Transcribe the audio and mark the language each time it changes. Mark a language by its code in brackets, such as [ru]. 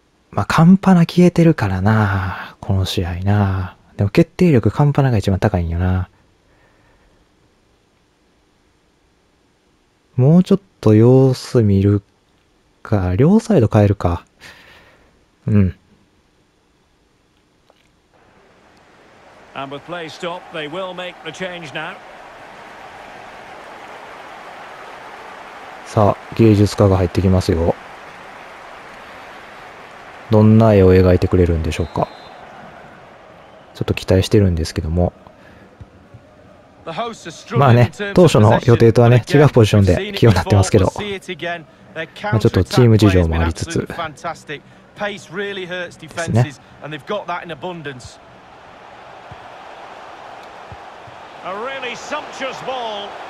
[ja] まあ、カンパナ消えてるからな、この試合な。でも決定力カンパナが一番高いんよな。もうちょっと様子見るか、両サイド変えるか。 [en] And with play stop, they will make the change now. [ja] さあ、芸術家が入ってきますよ。どんな絵を描いてくれるんでしょうか。ちょっと期待してるんですけども。まあね、当初の予定とはね、違うポジションで起用になってますけど。まあちょっとチーム事情もありつつ。 [en] Pace really hurts defenses, and they've got that in abundance. A really sumptuous ball.